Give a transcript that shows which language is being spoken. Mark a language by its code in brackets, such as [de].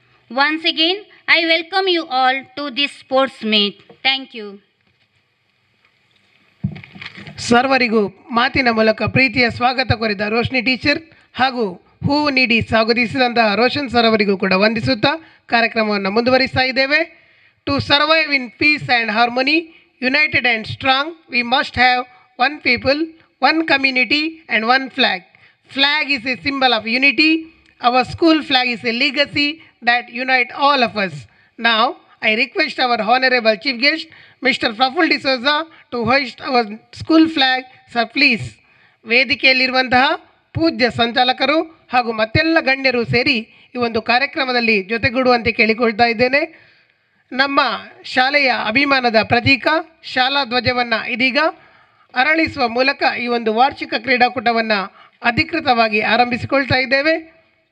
[en] Once again, I welcome you all to this sports meet. Thank you. [kn] ಸರ್ವರಿಗೂ ಮಾತಿನ ಮೂಲಕ ಪ್ರೀತಿಯ ಸ್ವಾಗತ ಕೋರಿದ ರೋಶ್ನಿ ಟೀಚರ್ ಹಾಗೂ ಹೂವು ನೀಡಿ ಸ್ವಾಗತಿಸಿದಂತಹ ರೋಷನ್ ಸರ್ ಅವರಿಗೂ ಕೂಡ ವಂದಿಸುತ್ತಾ ಕಾರ್ಯಕ್ರಮವನ್ನು ಮುಂದುವರಿಸ್ತಾ ಇದ್ದೇವೆ. [en] To survive in peace and harmony, united and strong, we must have one people, one community and one flag. Flag is a symbol of unity. Our school flag is a legacy that unite all of us. Now, I request our honorable chief guest, Mr. Praful D'Souza, to hoist our school flag, sir, please. [kn] ವೇದಿಕೆಯಲ್ಲಿರುವಂತಹ ಪೂಜ್ಯ ಸಂಚಾಲಕರು ಹಾಗೂ ಮತ್ತೆಲ್ಲ ಗಣ್ಯರು ಸೇರಿ ಈ ಒಂದು ಕಾರ್ಯಕ್ರಮದಲ್ಲಿ ಜೊತೆಗೂಡುವಂತೆ ಕೇಳಿಕೊಳ್ತಾ ಇದ್ದೇನೆ. ನಮ್ಮ ಶಾಲೆಯ ಅಭಿಮಾನದ ಪ್ರತೀಕ ಶಾಲಾ ಧ್ವಜವನ್ನು ಇದೀಗ ಅರಳಿಸುವ ಮೂಲಕ ಈ ಒಂದು ವಾರ್ಷಿಕ ಕ್ರೀಡಾಕೂಟವನ್ನು ಅಧಿಕೃತವಾಗಿ ಆರಂಭಿಸಿಕೊಳ್ತಾ ಇದ್ದೇವೆ.